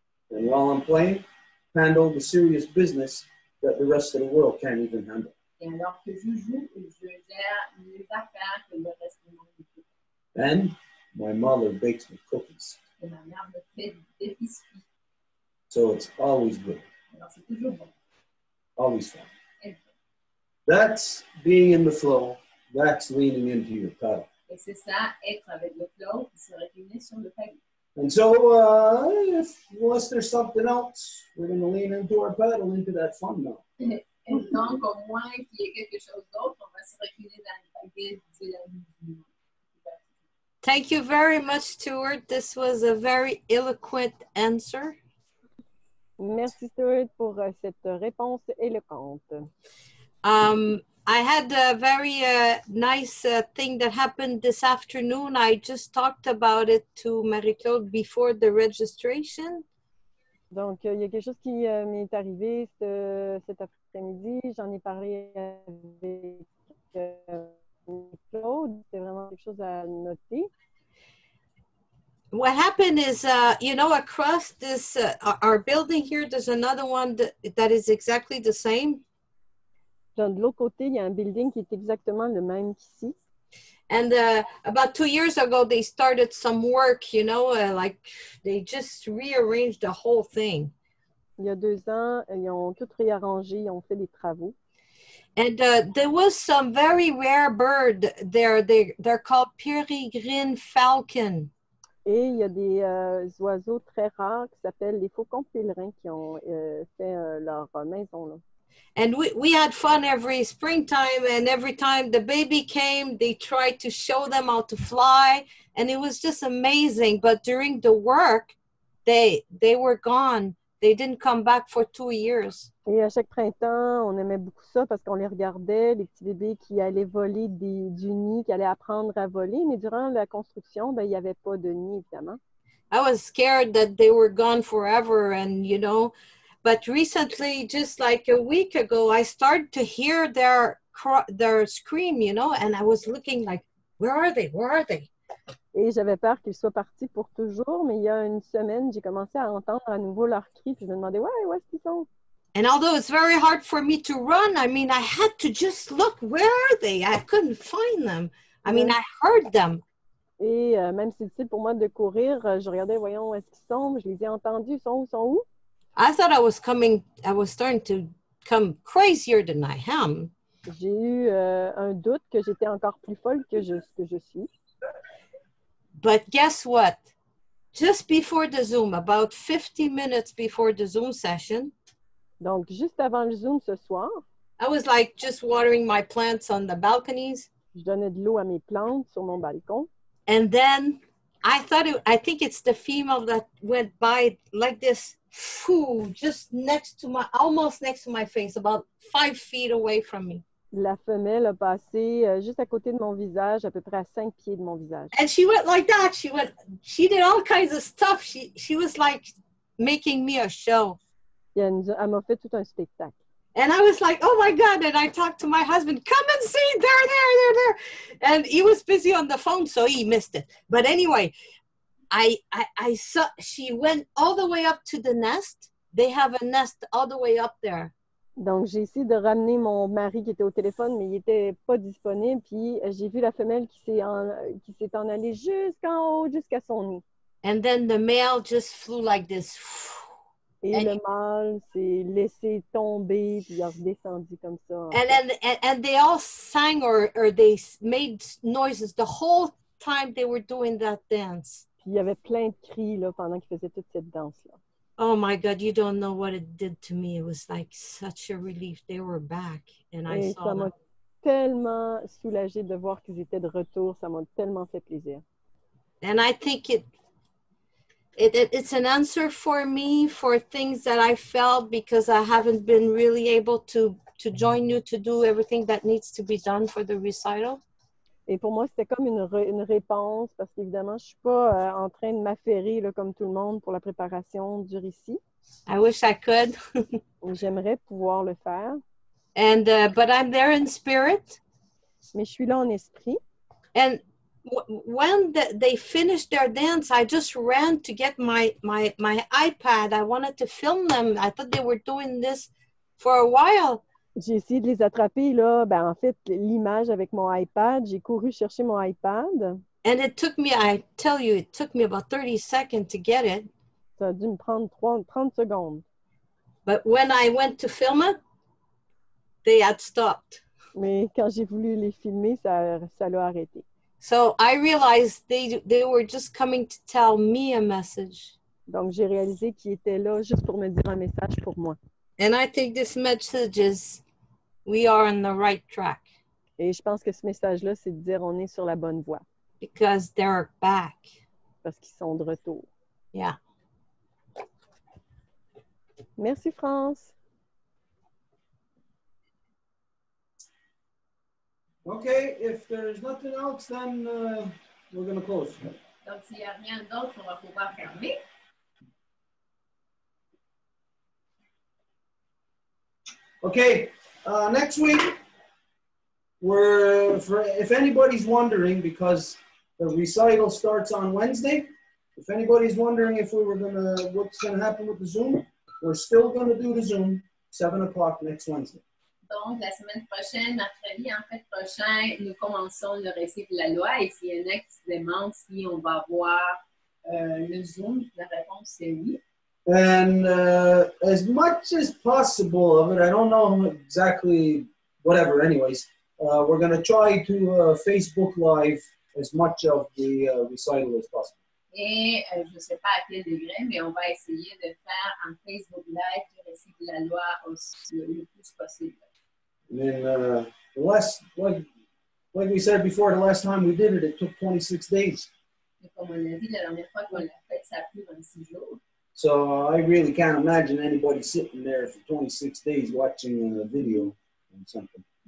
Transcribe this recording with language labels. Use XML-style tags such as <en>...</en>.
<en>And while I'm playing, handle the serious business that the rest of the world can't even handle.</en> <fr>Et alors que je joue, je gère les affaires que le reste du monde ne peut pas.</fr> <en>And my mother bakes me cookies.</en> <fr>Et ma mère me fait des biscuits.</fr> <en>So it's always good.</en> <fr>Alors c'est toujours bon.</fr> <en>Always fun. That's being in the flow. That's leaning into your paddle.</en> <fr>Et c'est ça, être avec le flow, se réunir sur le paddle.</fr> <en>And so, if, unless there's something else, we're going to lean into our paddle, into that fun now.</en> <fr>Et donc, au moins qu'il y ait quelque chose d'autre, on va se réunir dans le paddle de la vie.</fr> <en>Thank you very much, Stuart. This was a very eloquent answer.</en> <fr>Merci, Stuart, pour cette réponse éloquente.</fr> <en>I had a very nice thing that happened this afternoon. I just talked about it to Marie-Claude before the registration.</en> <fr>Donc, il y a quelque chose qui m'est arrivé cet après-midi. J'en ai parlé avec Marie-Claude. C'est vraiment quelque chose à noter.</fr> <en>What happened is, you know, across this our building here, there's another one that is exactly the same.</en> <fr>Dans de l'autre côté, il y a un building qui est exactement le même qu'ici.</fr> <en>And about 2 years ago, they started some work, you know, like they just rearranged the whole thing.</en> <fr>Il y a 2 ans, ils ont tout réarrangé, ils ont fait des travaux.</fr> <en>And there was some very rare bird there. They're called peregrine falcon.</en> <fr>Et il y a des oiseaux très rares qui s'appellent les faucons pèlerins qui ont fait leur maison là.</fr> <en>And we had fun every springtime, and every time the baby came, they tried to show them how to fly, and it was just amazing. But during the work, they were gone. They didn't come back for 2 years.</en> <fr>Et à chaque printemps, on aimait beaucoup ça parce qu'on les regardait, les petits bébés qui allaient voler du nid, qui allaient apprendre à voler. Mais durant la construction, ben, il n'y avait pas de nid, évidemment.</fr> <en>I was scared that they were gone forever, and you know... But recently, just like a week ago, I started to hear their scream, you know, and I was looking like, where are they?</en> <fr>Et j'avais peur qu'ils soient partis pour toujours, mais il y a une semaine, j'ai commencé à entendre à nouveau leurs cris, puis je me demandais, ouais, où est-ce qu'ils sont?</fr> <en>And although it's very hard for me to run, I mean, I had to just look, where are they? I couldn't find them. I mean, I heard them.</en> <fr>Et même si c'est pour moi de courir, je regardais, voyons, où est-ce qu'ils sont? Je les ai entendus, ils sont où?</fr> <en>I thought I was starting to come crazier than I am.</en> <fr>J'ai eu un doute que j'étais encore plus folle que je suis.</fr> <en>But guess what? Just before the Zoom, about 50 minutes before the Zoom session.</en> <fr>Donc, juste avant le Zoom ce soir.</fr> <en>I was like just watering my plants on the balconies.</en> <fr>Je donnais de l'eau à mes plantes sur mon balcon.</fr> <en>And then I think it's the female that went by like this. Phew, just almost next to my face, about 5 feet away from me.</en> <fr>La femelle a passé juste à côté de mon visage, à peu près à 5 pieds de mon visage.</fr> <en>And she went like that. She did all kinds of stuff. She was like making me a show.</en> <fr>Yeah, nous avons fait tout un spectacle.</fr> <en>And I was like, oh my God, and I talked to my husband, come and see, there. And he was busy on the phone, so he missed it. But anyway, I saw, she went all the way up to the nest. They have a nest all the way up there.</en> <fr>Donc, j'ai essayé de ramener mon mari qui était au téléphone, mais il n'était pas disponible. Puis, j'ai vu la femelle qui s'est en allée jusqu'en haut, jusqu'à son nid.</fr> <en>And then the male just flew like this.</en> <fr>Et le mâle s'est laissé tomber, puis il a redescendu comme ça.</fr> <en>And they all sang or they made noises the whole time they were doing that dance.</en> <fr>Puis, il y avait plein de cris là, pendant qu'ils faisaient toute cette danse-là.</fr> <en>Oh my God, you don't know what it did to me. It was like such a relief. They were back and I saw them.</en> <fr>Ça m'a tellement soulagé de voir qu'ils étaient de retour. Ça m'a tellement fait plaisir.</fr> <en>And I think it's an answer for me for things that I felt because I haven't been really able to join you to do everything that needs to be done for the recital.</en> <fr>Et pour moi, c'était comme une réponse parce qu'évidemment, je suis pas en train de m'affairer là, comme tout le monde pour la préparation du récit.</fr> <en>I wish I could.</en> <fr>J'aimerais pouvoir le faire.</fr> <en>And but I'm there in spirit.</en> <fr>Mais je suis là en esprit.</fr> <en>And when they finished their dance, I just ran to get my iPad. I wanted to film them. I thought they were doing this for a while.</en> <fr>J'ai essayé de les attraper, là, ben, en fait, l'image avec mon iPad. J'ai couru chercher mon iPad.</fr> <en>And it took me, I tell you, it took me about 30 seconds to get it.</en> <fr>Ça a dû me prendre 30 secondes.</fr> <en>But when I went to film it, they had stopped.</en> <fr>Mais quand j'ai voulu les filmer, ça l'a arrêté.</fr> <en>So I realized they were just coming to tell me a message.</en> <fr>Donc, j'ai réalisé qu'ils étaient là juste pour me dire un message pour moi.</fr> <en>And I think this message is, we are on the right track.</en> <fr>Et je pense que ce message-là, c'est de dire on est sur la bonne voie.</fr> <en>Because they're back.</en> <fr>Parce qu'ils sont de retour.</fr> <en>Yeah.</en> <fr>Merci, France.</fr> <en>Okay, if there's nothing else, then we're going to close.</en> <fr>Donc, s'il n'y a rien d'autre, on va pouvoir fermer.</fr> <en>Okay, next week, if anybody's wondering, because the recital starts on Wednesday, if anybody's wondering if we were gonna, what's gonna happen with the Zoom, we're still gonna do the Zoom 7 o'clock next Wednesday.</en> <fr>Donc, la semaine prochaine, mercredi, en fait, prochain, nous commençons le récit de la loi, et s'il y en a qui se demandent si on va voir le Zoom, la réponse c'est oui.</fr> <en>And as much as possible of it, I don't know exactly, whatever, anyways, we're going to try to Facebook Live as much of the recital as possible.</en> <fr>Et je ne sais pas à quel degré, mais on va essayer de faire un Facebook Live du récit de la loi aussi, le plus possible.</fr> <en>And then, like we said before, the last time we did it, it took 26 days.</en> <fr>Et comme on l'a dit, la dernière fois qu'on l'a fait, ça a pris 26 jours.</fr> <en>So I really can't imagine anybody sitting there for 26 days watching a video or something.</en>